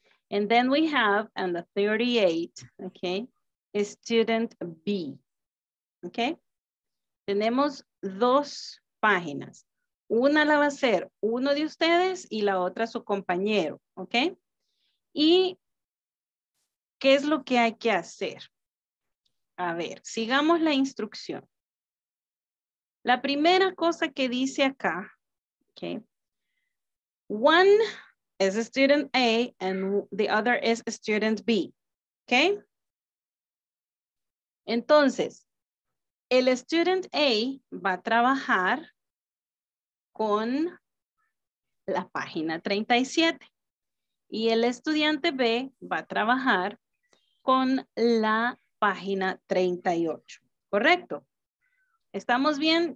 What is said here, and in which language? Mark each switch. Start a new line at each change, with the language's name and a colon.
English: And then we have on the 38, okay, is student B, okay?
Spanish: Tenemos dos páginas. Una la va a ser uno de ustedes y la otra su compañero, okay? ¿Y qué es lo que hay que hacer? A ver, sigamos la instrucción. La primera cosa que dice acá,
English: okay, one is a student A and the other is a student B. Okay?
Spanish: Entonces, el student A va a trabajar con la página 37 y el estudiante B va a trabajar con la página 38. ¿Correcto? ¿Estamos bien?